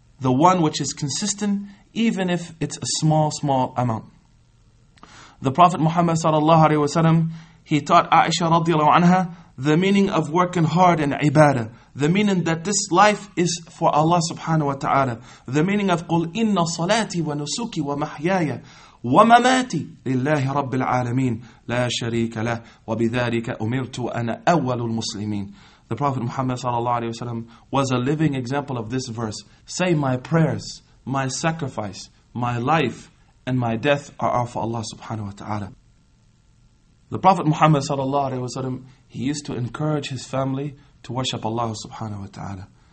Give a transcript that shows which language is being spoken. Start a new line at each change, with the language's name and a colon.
English: The one which is consistent, even if it's a small, small amount. The Prophet Muhammad sallallahu alayhi wa sallam, he taught Aisha radiallahu anha the meaning of working hard in ibadah. The meaning that this life is for Allah subhanahu wa ta'ala. The meaning of
Arabic: قُلْ إِنَّ صَلَاتِ وَنُسُكِ وَمَحْيَايَ وَمَمَاتِ لِلَّهِ رَبِّ الْعَالَمِينَ لَا شَرِيكَ لَهُ وَبِذَلِكَ أُمِرْتُ وَأَنَا أَوَّلُ الْمُسْلِمِينَ.
English: The Prophet Muhammad sallallahu alayhi wa sallam was a living example of this verse. Say, my prayers, my sacrifice, my life, and my death are all for Allah subhanahu wa ta'ala. The Prophet Muhammad sallallahu alayhi wa sallam, he used to encourage his family to worship Allah subhanahu wa ta'ala.